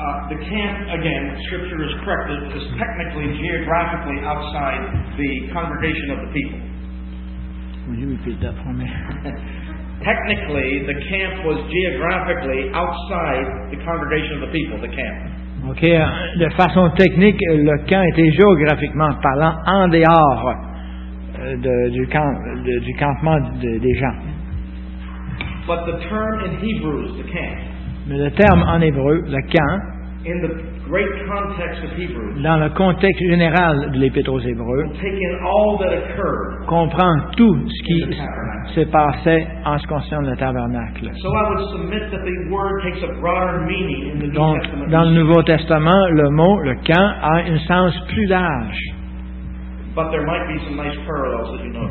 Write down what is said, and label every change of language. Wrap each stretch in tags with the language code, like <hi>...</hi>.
<en>The camp, again, scripture is correct, is technically, geographically outside the congregation of the people. Will you repeat that for me? Technically, the camp was geographically outside the congregation of the people, the camp.</en> <fr>Okay, de façon technique, le camp était géographiquement parlant en dehors du campement des gens.</fr> <en>But the term in Hebrews, the camp.</en> <fr>Mais le terme en hébreu, le camp.</fr> <en>In the great context of Hebrews.</en> <fr>Dans le contexte général de l'épître aux Hébreux.</fr> <en>Take in all that occurred.</en> <fr>Comprend tout ce qui se passait en ce qui concerne le tabernacle. Donc, dans le Nouveau Testament, le mot, le camp, a un sens plus large.</fr> <en>But there might be some nice parallels, as you know.</en>